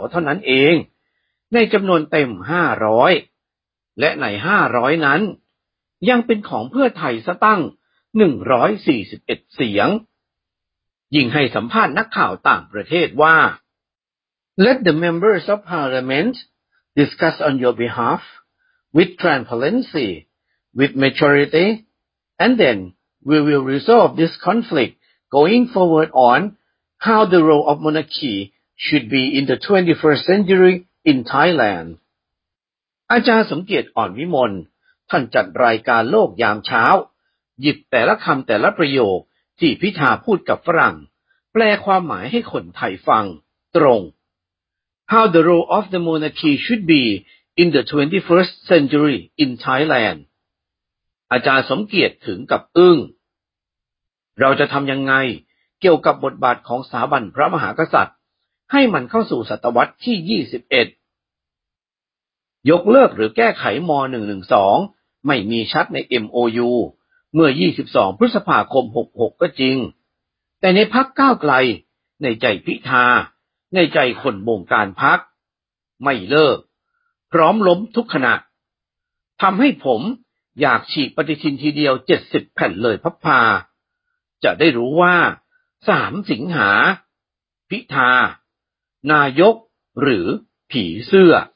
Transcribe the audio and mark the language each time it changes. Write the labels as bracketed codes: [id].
[th] เท่านั้นเองในจำนวนเต็ม500และใน500นั้นยังเป็นของเพื่อไทยซะตั้ง141เสียงยิ่งให้สัมภาษณ์นักข่าวต่างประเทศว่า [en] Let the members of parliament discuss on your behalf with transparency with maturity and then we will resolve this conflict going forward on how the role of monarchy should be in the 21st century in Thailand. [th] อาจารย์สมเกียรติอ่อนวิมลท่านจัดรายการโลกยามเช้าหยิบแต่ละคำแต่ละประโยคที่พิธาพูดกับฝรั่งแปลความหมายให้คนไทยฟังตรง [en] How the role of the monarchy should be in the 21st century in Thailand. [th] อาจารย์สมเกียรติถึงกับอึ้งเราจะทำยังไงเกี่ยวกับบทบาทของสถาบันพระมหากษัตริย์ให้มันเข้าสู่ศตวรรษที่21 ยกเลิกหรือแก้ไขม.112ไม่มีชัดใน MOU เมื่อ22พฤษภาคม66ก็จริงแต่ในพรรคก้าวไกลในใจพิธาในใจคนบงการพรรคไม่เลิกพร้อมล้มทุกขณะทำให้ผมอยากฉีกปฏิทินทีเดียว70แผ่นเลยพับพาจะได้รู้ว่า3สิงหาพิธานายกหรือผีเสื้อ